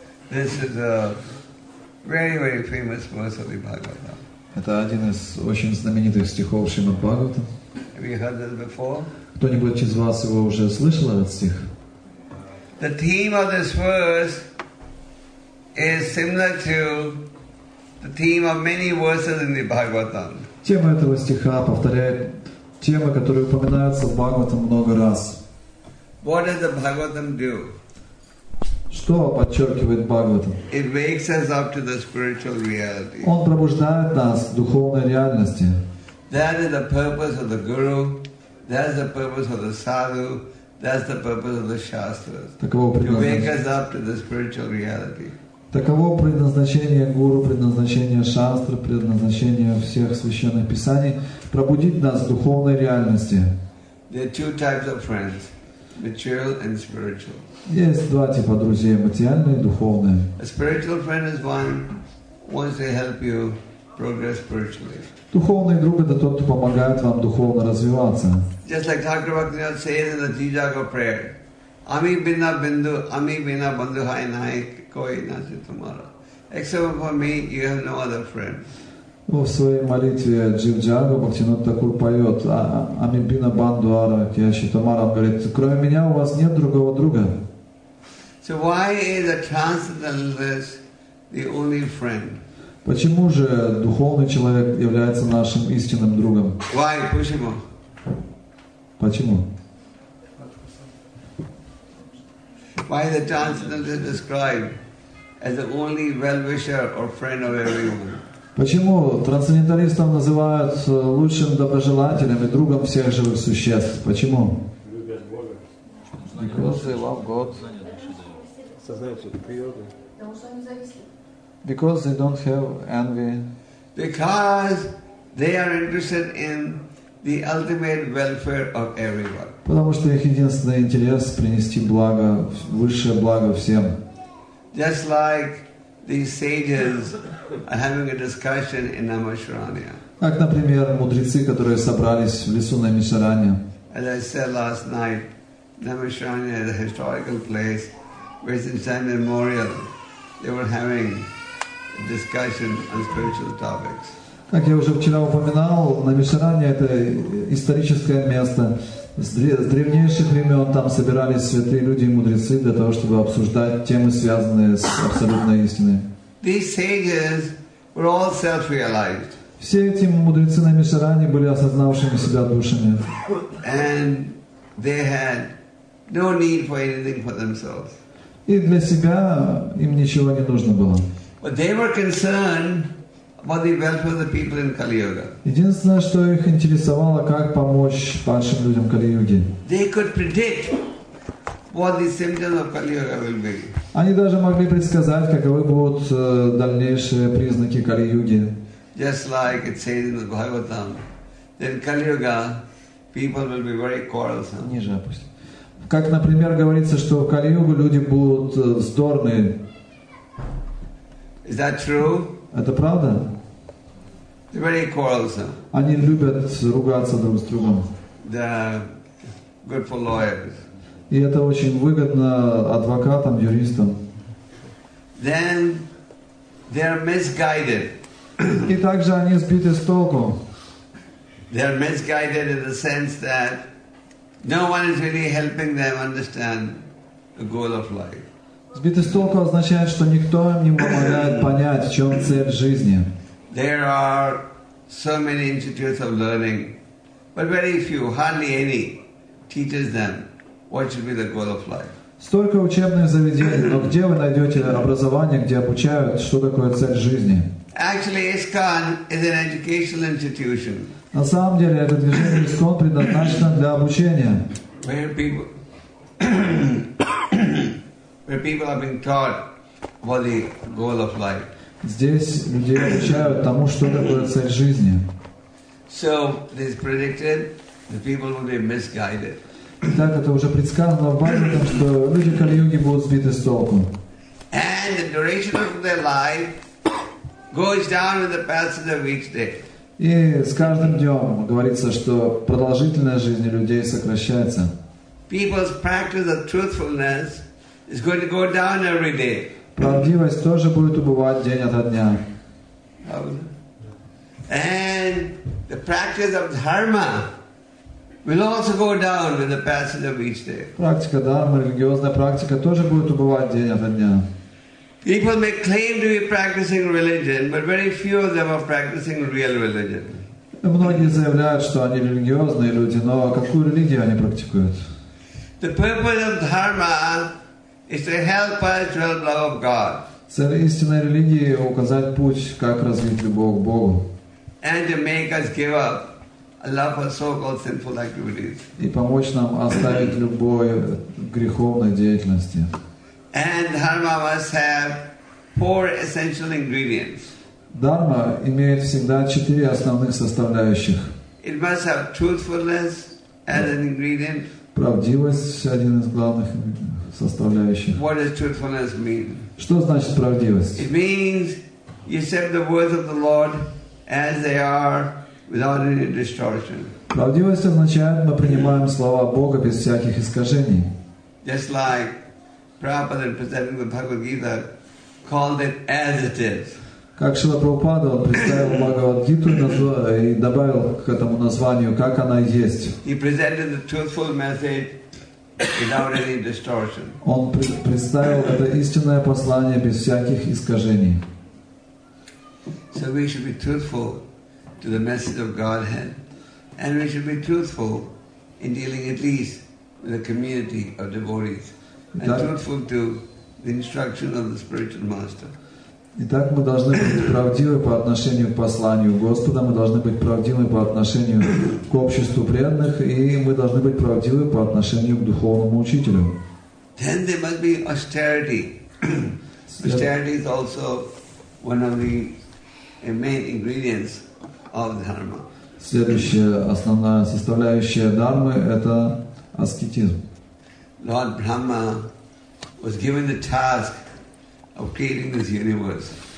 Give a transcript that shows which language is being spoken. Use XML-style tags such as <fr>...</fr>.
<en>This is a very, very famous verse of the Bhagavata.</en> <ru>Это один из очень знаменитых стихов Шримад Бхагаватам.</ru> <en>Have you heard this before?</en> <ru>Кто-нибудь из вас его уже слышал, этот стих?</ru> <en>The theme of this verse is similar to the theme of many verses in the Bhagavatam.</en> <ru>Тема этого стиха повторяет темы, которые упоминаются в Бхагаватам много раз.</ru> <en>What does the Bhagavatam do?</en> <ru>Что подчеркивает Бхагаватам?</ru> <en>It wakes us up to the spiritual reality.</en> <ru>Он пробуждает нас к духовной реальности.</ru> <en>That is the purpose of the guru, that is the purpose of the sadhu, that is the purpose of the shastras.</en> <ru>Таково предназначение.</ru> <en>To wake us up to the spiritual reality.</en> <ru>Таково предназначение гуру, предназначение шастр, предназначение всех священных писаний — пробудить нас к духовной реальности.</ru> <en>There are two types of friends: material and spiritual.</en> <ru>Есть два типа друзей, материальные и духовные.</ru> <en>A spiritual friend is one who wants to help you progress spiritually.</en> <ru>Духовный друг — это тот, кто помогает вам духовно развиваться.</ru> <en>Just like Thakur Bhaktivinoda says in the Jijaga prayer,</en> <bn>Ami bina bindu, ami bina bandhu hai nahi, koi na se tumara.</bn> <en>Except for me, you have no other friend.</en> <ru>Ну, в своей молитве Джив-Джага Бхактинода Такур поет</ru> <bn>«Амибина Банду Ара Кьяши Тамара».</bn> <ru>Он говорит, кроме меня у вас нет другого друга.</ru> <en>So why is a transcendentalist the only friend?</en> <ru>Почему же духовный человек является нашим истинным другом?</ru> <en>Why?</en> <ru>Почему? Почему?</ru> <en>Why is the transcendentalist described as the only well-wisher or friend of everyone?</en> <ru>Почему трансценденталистов называют лучшим доброжелателем и другом всех живых существ? Почему? Любят Бога.</ru> <en>Because they love God.</en> <ru>Сознают всю природу.</ru> <en>Because they don't have envy. Because they are interested in the ultimate welfare of everyone.</en> <ru>Потому что их единственный интерес принести благо, высшее благо всем.</ru> <en>Just like these sages are having a discussion in Amashranya.</en> <ru>Как, например, мудрецы, которые собрались в лесу на Амишаране.</ru> <en>As I said last night, Amashranya is a historical place where since time immemorial they were having discussion on spiritual topics.</en> <ru>Как я уже вчера упоминал, Амишаране это историческое место. С древнейших времен там собирались святые люди и мудрецы для того, чтобы обсуждать темы, связанные с абсолютной истиной.</ru> <en>These sages were all self-realized.</en> <ru>Все эти мудрецы на Амишаране были осознавшими себя душами.</ru> <en>And they had no need for anything for themselves.</en> <ru>И для себя им ничего не нужно было.</ru> <en>But they were concerned about the welfare of the people in Kali-Yuga.</en> <ru>Единственное, что их интересовало, как помочь падшим людям Кали-Юги.</ru> <en>They could predict what the symptoms of Kali-Yuga will be.</en> <ru>Они даже могли предсказать, каковы будут дальнейшие признаки Кали-Юги.</ru> <en>Just like it says in the Bhagavatam, in Kali-Yuga, people will be very quarrelsome.</en> <ru>Ниже опусти. Как, например, говорится, что в Кали-Югу люди будут вздорные.</ru> <en>Is that true?</en> <ru>Это правда?</ru> <en>They're very quarrelsome.</en> <ru>Они любят ругаться друг с другом.</ru> <en>They're good for lawyers.</en> <ru>И это очень выгодно адвокатам, юристам.</ru> <en>Then they're misguided.</en> <ru>И также они сбиты с толку.</ru> <en>They're misguided in the sense that no one is really helping them understand the goal of life.</en> <ru>Сбитый с толку означает, что никто им не помогает понять, в чем цель жизни.</ru> <en>There are so many institutes of learning, but very few, hardly any, teaches them what should be the goal of life.</en> <ru>Столько учебных заведений, но где вы найдете образование, где обучают, что такое цель жизни?</ru> <en>Actually, ISKCON is an educational institution.</en> <ru>На самом деле, это движение ISKCON предназначено для обучения.</ru> <en>Where people... Where people are being taught about the goal of life.</en> <ru>Здесь люди обучают тому, что такое цель жизни.</ru> <en>So it is predicted that people will be misguided.</en> <ru>Так это уже предсказано в Бхагаватам, что люди Кали-Юги будут сбиты с толку.</ru> <en>And the duration of their life goes down with the passage of each day.</en> <ru>И с каждым днем говорится, что продолжительность жизни людей сокращается.</ru> <en>People's practice of truthfulness is going to go down every day.</en> <ru>Правдивость тоже будет убывать день ото дня.</ru> <en>And the practice of dharma will also go down with the passage of each day.</en> <ru>Практика дхармы, религиозная практика тоже будет убывать день ото дня.</ru> <en>People may claim to be practicing religion, but very few of them are practicing real religion.</en> <ru>Многие заявляют, что они религиозные люди, но какую религию они практикуют?</ru> <en>The purpose of dharma is to help us to have love of God.</en> <ru>Цель истинной религии — указать путь, как развить любовь к Богу.</ru> <en>And to make us give up a love for so-called sinful activities.</en> <ru>И помочь нам оставить любовь греховной деятельности.</ru> <en>And dharma must have four essential ingredients.</en> <ru>Дхарма имеет всегда четыре основных составляющих.</ru> <en>It must have truthfulness as an ingredient.</en> <ru>Правдивость — один из главных составляющих.</ru> <en>What does truthfulness mean?</en> <ru>Что значит правдивость?</ru> <en>It means you accept the words of the Lord as they are, without any distortion.</en> <ru>Правдивость означает, мы принимаем слова Бога без всяких искажений.</ru> <en>Just like Prabhupada presenting the Bhagavad Gita called it as it is.</en> <ru>Как Шрила Прабхупада представил Бхагавад Гиту и добавил к этому названию, как она есть.</ru> <en>He presented the truthful message without any distortion.</en> <ru>Он представил это истинное послание без всяких искажений.</ru> <en>So we should be truthful to the message of Godhead, and we should be truthful in dealing at least with the community of devotees, and truthful to the instruction of the spiritual master.</en> <ru>Итак, мы должны быть правдивы по отношению к посланию Господа, мы должны быть правдивы по отношению к обществу преданных, и мы должны быть правдивы по отношению к духовному учителю.</ru> <en>Then there must be austerity. Austerity is also one of the main ingredients of dharma.</en> <ru>Следующая основная составляющая дхармы – это аскетизм.</ru> <en>Lord Brahma was given the task of creating this universe.</en>